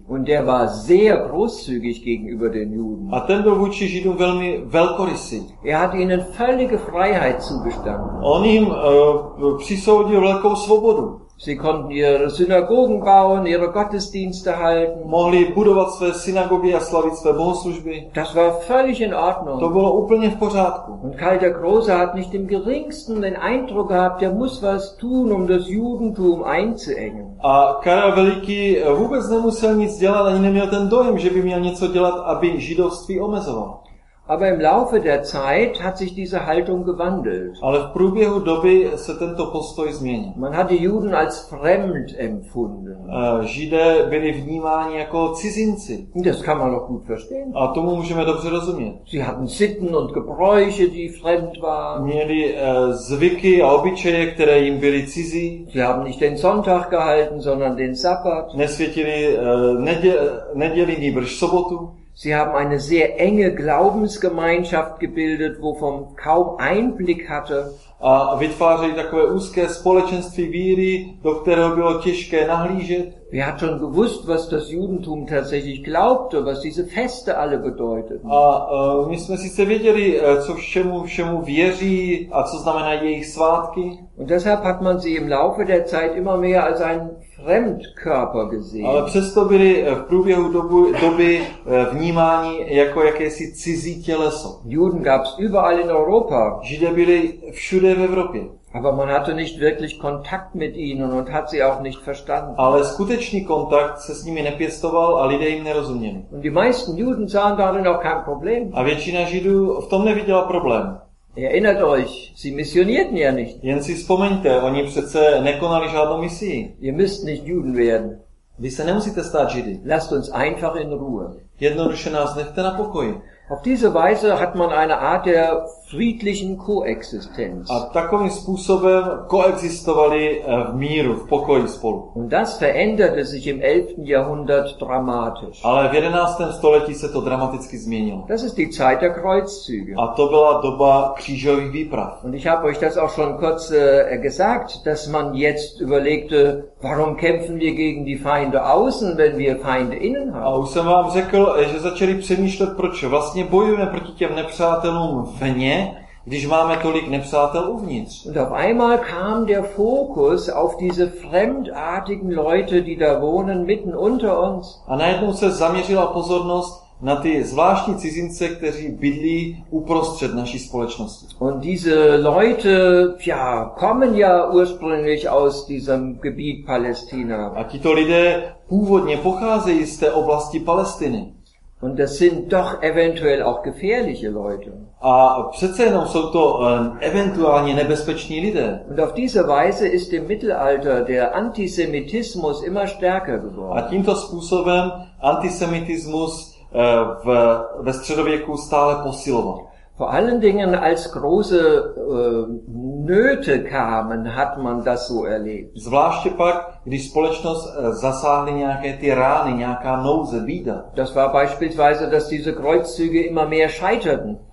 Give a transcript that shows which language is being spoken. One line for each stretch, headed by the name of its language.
German: Und der war sehr großzügig gegenüber den Juden.
Czech: A ten byl vůči Židům velmi velkorysý.
German: Er hat ihnen völlige Freiheit zugestanden.
Czech: On jim přisoudil velkou svobodu.
German: Sie konnten ihre Synagogen bauen, ihre Gottesdienste halten.
Czech: Mohli budovat své synagogy a slavit své bohoslužby.
German: Das war völlig in Ordnung.
Czech: To bylo úplně v pořádku.
German: Und Karl der Große hat nicht im geringsten den Eindruck gehabt, der muss was tun, um das Judentum einzuengen.
Czech: A Karel Veliký vůbec nemusel nic dělat, ani neměl ten dojem, že by měl něco dělat, aby židovství omezoval.
German: Aber im Laufe der Zeit hat sich diese Haltung gewandelt.
Czech: Ale v průběhu doby se tento postoj změnil.
German: Man hat die Juden als fremd empfunden.
Czech: Židé byli vnímáni jako cizinci.
German: Das kann man auch gut verstehen.
Czech: A tomu můžeme dobře rozumět.
German: Sie hatten Sitten und Gebräuche, die fremd waren.
Czech: Měli zvyky a obyčeje, které jim byly cizí.
German: Sie haben nicht den Sonntag gehalten, sondern den Sabbat.
Czech: Nesvětili neděli, nýbrž sobotu.
German: Sie haben eine sehr enge Glaubensgemeinschaft gebildet, wo man kaum Einblick hatte.
Czech: A vytvářeli takové úzké společenství víry, do kterého bylo těžké nahlížet.
German: Wer hat schon gewusst, was das Judentum tatsächlich glaubte, was diese Feste alle bedeuteten?
Czech: A my jsme sice věděli, co všemu věří a co znamenají jejich svátky.
German: Und deshalb hat man sie im Laufe der Zeit immer mehr als einen Fremdkörper gesehen.
Czech: Ale přesto byli v průběhu doby vnímáni jako jakési cizí těleso.
German: Juden gab's überall in Europa.
Czech: Židé byli všude v Evropě.
German: Aber man hatte nicht wirklich Kontakt mit ihnen und hat sie auch nicht verstanden.
Czech: Ale skutečný kontakt se s nimi nepěstoval a lidé jim nerozuměli.
German: Und die meisten Juden sahen darin auch kein Problem.
Czech: A většina Židů v tom neviděla problém.
German: Erinnert euch, sie missionierten ja nicht.
Czech: Jen si vzpomeňte, oni přece nekonali žádnou misi.
German: Ihr müsst nicht Juden werden.
Czech: Vy se nemusíte stát Židy.
German: Lasst uns einfach in Ruhe.
Czech: Jednoduše nás nechte na pokoji.
German: Auf diese Weise hat man eine Art der friedlichen Koexistenz.
Czech: A takovým způsobem koexistovali v míru, v pokoji spolu.
German: Und das veränderte sich im 11. Jahrhundert dramatisch.
Czech: Ale v 11. století se to dramaticky změnilo.
German: Das ist die Zeit der Kreuzzüge.
Czech: A to byla doba křížových výprav.
German: Und ich habe euch das auch schon kurz gesagt, dass man jetzt überlegte, warum kämpfen wir gegen die Feinde außen, wenn wir Feinde innen haben.
Czech: A už jsem vám řekl, že začali přemýšlet, proč vlastně bojujeme proti těm nepřátelům vně, když máme tolik nepřátel uvnitř.
German: Und auf einmal kam der Fokus auf diese fremdartigen Leute, die da wohnen mitten unter uns.
Czech: A najednou se zaměřila pozornost na ty zvláštní cizince, kteří bydlí uprostřed naší společnosti.
German: Und diese Leute, ja, kommen ja ursprünglich aus diesem Gebiet Palästina.
Czech: A tito lidé původně pocházejí z té oblasti Palestiny.
German: Und das sind doch eventuell auch gefährliche Leute.
Czech: A přece jenom jsou to eventuálně nebezpeční lidé.
German: Und auf diese Weise ist im Mittelalter der Antisemitismus immer stärker geworden.
Czech: A tímto způsobem antisemitismus ve středověku stále posiloval.
German: Vor allen Dingen als große Nöte kamen, hat man das so erlebt.
Czech: Zvláště pak, když společnost zasáhly nějaké ty rány, nějaká nouze, bída.
German: Das war beispielsweise, dass diese Kreuzzüge immer mehr scheiterten.